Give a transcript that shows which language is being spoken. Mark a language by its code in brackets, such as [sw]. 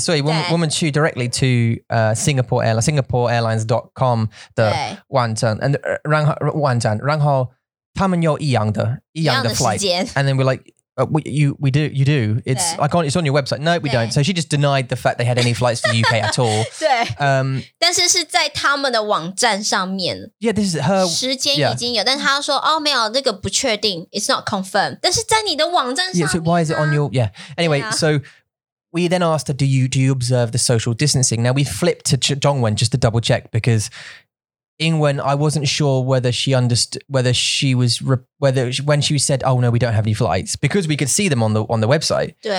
[zh] 所以我们去 [en] directly to Singapore Airlines, [zh] singaporeairlines.com 的网站, 然后他们有一样的 flight. [en] And then we're like, we do. It's I can't. It's on your website. No, we don't. So she just denied the fact they had any flights to the UK at all. [zh] 但是是在他们的网站上面. [en] Yeah, this is her. [zh] 时间已经有, yeah. 但是她说, oh, 没有,那个不确定, [en] it's not confirmed. [zh] 但是在你的网站上面啊? [en] Yeah, so why is it on your? Yeah. Anyway, yeah. So we then asked her, do you observe the social distancing? Now we flipped to Zhongwen just to double check because Ingwen, I wasn't sure whether she understood, whether she was, whether she, when she said, oh no, we don't have any flights, because we could see them on the website.